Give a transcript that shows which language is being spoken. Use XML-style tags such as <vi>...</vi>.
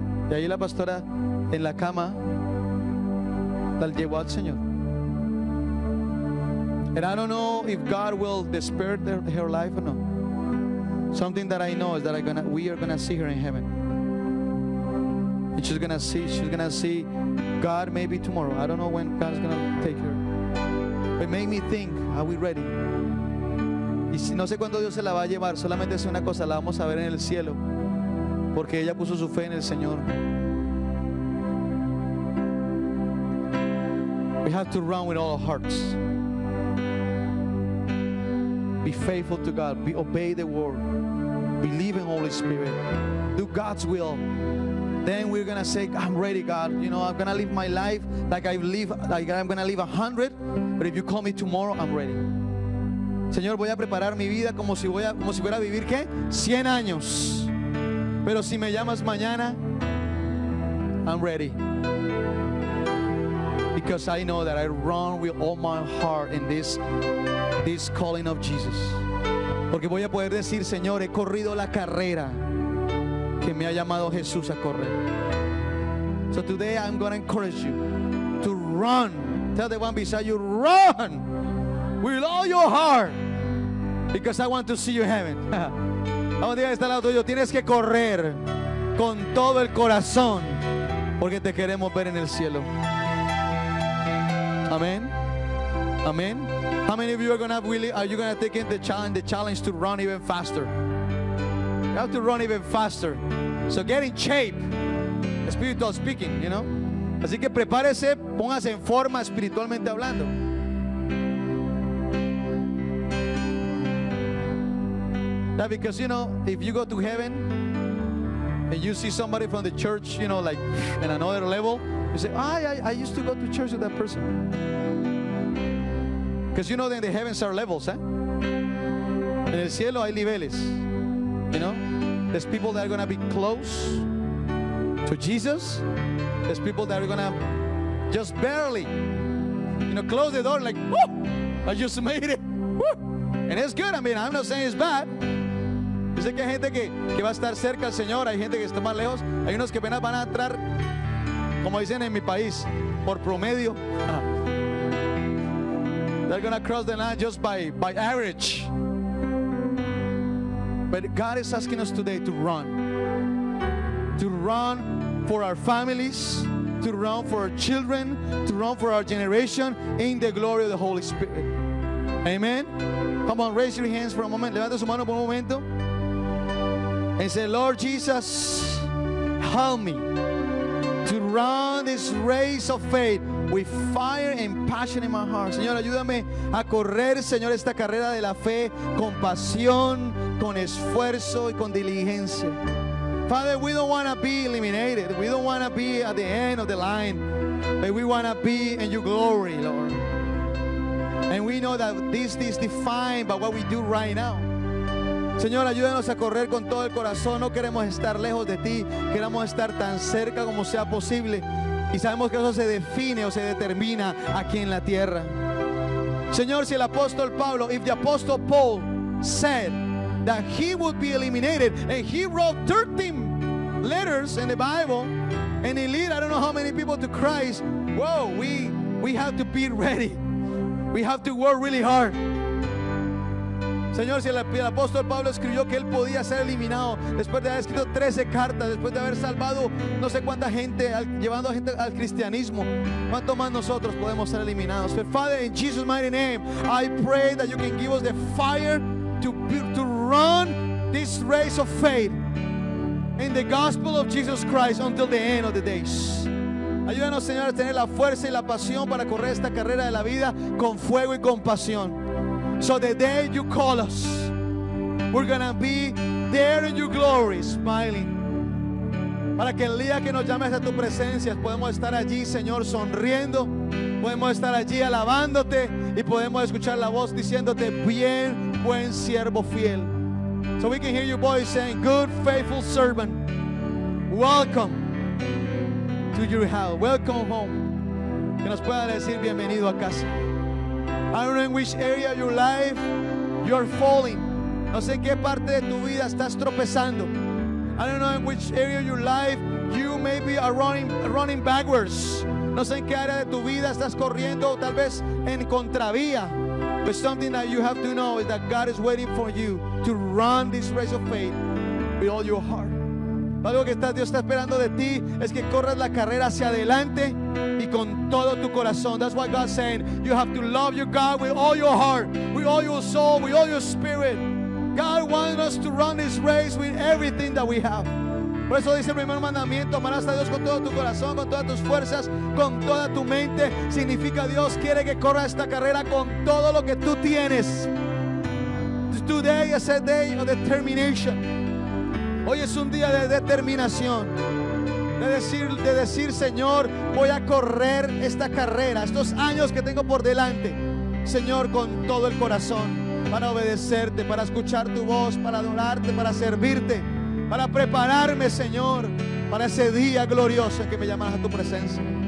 <es>Y ahí la pastora en la cama la llevó al Señor.</es> <en>And I don't know if God will despair her life or not. Something that I know is that we are gonna see her in heaven. And she's gonna see God maybe tomorrow. I don't know when God's gonna take her. But it made me think, are we ready?</en> <es>Y si no sé cuándo Dios se la va a llevar, solamente es una cosa, la vamos a ver en el cielo. Porque ella puso su fe en el Señor.</es> <en>We have to run with all our hearts. Be faithful to God. Be obey the word. Believe in Holy Spirit. Do God's will. Then we're going to say, I'm ready, God. You know, I'm going to live my life I'm going to live 100. But if you call me tomorrow, I'm ready.</en> <es>Señor, voy a preparar mi vida como si fuera a vivir, ¿qué? 100 años. Pero si me llamas mañana,</es> <en>I'm ready. Because I know that I run with all my heart in this calling of Jesus.</en> <es>Porque voy a poder decir, Señor, he corrido la carrera que me ha llamado Jesús a correr.</es> <en>So today I'm going to encourage you to run. Tell the one beside you, run with all your heart. Because I want to see you in heaven.</en> <es>Vamos a decir, está al lado tuyo. Tienes que correr con todo el corazón. Porque te queremos ver en el cielo. Amén. Amén.</es> <en>How many of you are you gonna take in the challenge to run even faster? You have to run even faster. So get in shape. Spiritual speaking, you know.</en> <es>Así que prepárese, póngase en forma espiritualmente hablando.</es> <en>Yeah, because you know, if you go to heaven and you see somebody from the church, you know, like in another level, you say, I used to go to church with that person. Because you know, then the heavens are levels, eh?</en> <es>En el cielo hay niveles.</es> <en>You know, there's people that are going to be close to Jesus. There's people that are going to just barely, you know, close the door like, woo, I just made it. Woo. And it's good. I mean, I'm not saying it's bad.</en> <es>Yo sé que hay gente que va a estar cerca al Señor, hay gente que está más lejos, hay unos que apenas van a entrar, como dicen en mi país, por promedio.</es> <en>They're gonna cross the line just by average. But God is asking us today to run. To run for our families, to run for our children, to run for our generation in the glory of the Holy Spirit. Amen. Come on, raise your hands for a moment.</en> <es>Levanta su mano por un momento.</es> <en>And say, Lord Jesus, help me to run this race of faith with fire and passion in my heart.</en> <es>Señor, ayúdame a correr, Señor, esta carrera de la fe con pasión, con esfuerzo y con diligencia.</es> <en>Father, we don't want to be eliminated. We don't want to be at the end of the line. But we want to be in your glory, Lord. And we know that this is defined by what we do right now.</en> <es>Señor, ayúdanos a correr con todo el corazón. No queremos estar lejos de ti. Queremos estar tan cerca como sea posible. Y sabemos que eso se define o se determina aquí en la tierra. Señor, si el apóstol Pablo,</es> <en>if the apostle Paul said that he would be eliminated, and he wrote 13 letters in the Bible, and he led I don't know how many people to Christ. Whoa, we have to be ready. We have to work really hard.</en> <es>Señor, si el apóstol Pablo escribió que él podía ser eliminado después de haber escrito 13 cartas, después de haber salvado no sé cuánta gente, llevando a gente al cristianismo, ¿cuánto más nosotros podemos ser eliminados?</es> <en>So, Father, in Jesus' mighty name, I pray that you can give us the fire to run this race of faith in the gospel of Jesus Christ until the end of the days.</en> <es>Ayúdanos, Señor, a tener la fuerza y la pasión para correr esta carrera de la vida con fuego y con pasión.</es> <en>So the day you call us, we're gonna be there in your glory, smiling.</en> <es>Para que el día que nos llames a tu presencia, podemos estar allí, Señor, sonriendo. Podemos estar allí alabándote y podemos escuchar la voz diciéndote, bien, buen siervo fiel.</es> <en>So we can hear your voice saying, good, faithful servant, welcome to your house. Welcome home.</en> <es>Que nos pueda decir bienvenido a casa.</es> <en>I don't know in which area of your life you're falling.</en> <es>No sé qué parte de tu vida estás tropezando.</es> <en>I don't know in which area of your life you maybe are running backwards.</en> <es>No sé en qué área de tu vida estás corriendo, o tal vez en contravía.</es> <en>But something that you have to know is that God is waiting for you to run this race of faith with all your heart.</en> <es>Algo que Dios está esperando de ti es que corras la carrera hacia adelante y con todo tu corazón.</es> <en>That's what God's saying. You have to love your God with all your heart, with all your soul, with all your spirit. God wants us to run this race with everything that we have.</en> <es>Por eso dice el primer mandamiento, amarás a Dios con todo tu corazón, con todas tus fuerzas, con toda tu mente. Significa Dios quiere que corra esta carrera con todo lo que tú tienes.</es> <en>Today is a day of determination.</en> <es>Hoy es un día de determinación. De decir, Señor, voy a correr esta carrera, estos años que tengo por delante, Señor, con todo el corazón, para obedecerte, para escuchar tu voz, para adorarte, para servirte, para prepararme, Señor, para ese día glorioso que me llamas a tu presencia.</es>